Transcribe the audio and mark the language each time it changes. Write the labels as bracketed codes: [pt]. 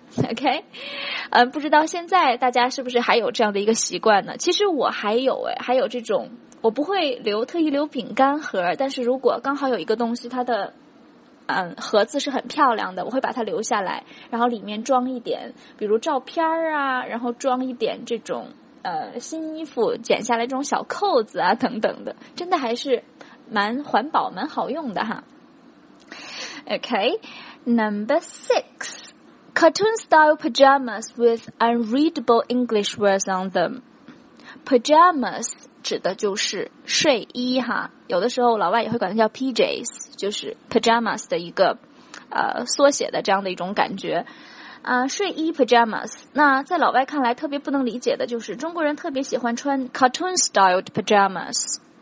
[zh] OK， 不知道现在大家是不是还有这样的一个习惯呢？其实我还有哎，还有这种，我不会留特意留饼干盒，但是如果刚好有一个东西，它的盒子是很漂亮的，我会把它留下来，然后里面装一点，比如照片啊，然后装一点这种新衣服剪下来这种小扣子啊等等的，真的还是蛮环保、蛮好用的哈。OK， Number six。 [en] Cartoon-style pajamas with unreadable English words on them. [zh] Pajamas 指的就是睡衣哈，有的时候老外也会管它叫 PJs， 就是 pajamas 的一个缩写的这样的一种感觉。睡衣 pajamas， 那在老外看来特别不能理解的就是中国人特别喜欢穿 cartoon-styled pajamas。